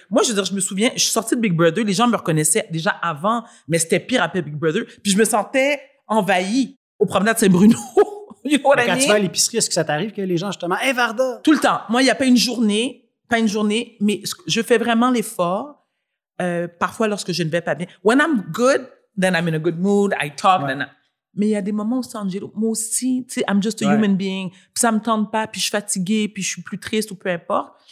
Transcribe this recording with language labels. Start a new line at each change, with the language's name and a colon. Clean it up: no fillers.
French: Moi, je veux dire, je me souviens, je suis sortie de Big Brother, les gens me reconnaissaient déjà avant, mais c'était pire après Big Brother. Puis je me sentais envahie au promenade Saint-Bruno.
English: You know what I mean?
French: Quand tu vas à l'épicerie, est-ce que ça t'arrive que les gens, justement, hey, Varda? Tout le temps. Moi, il n'y a pas une journée, mais je fais vraiment l'effort, parfois lorsque je ne vais pas bien.
English: When I'm good, then I'm in a good mood, I talk, ouais.
French: Mais il y a des moments où c'est Angelo. Moi aussi, tu sais,
English: I'm just a
French: ouais.
English: human being.
French: Puis ça me tente pas, puis je suis fatiguée, puis je suis plus triste ou peu importe.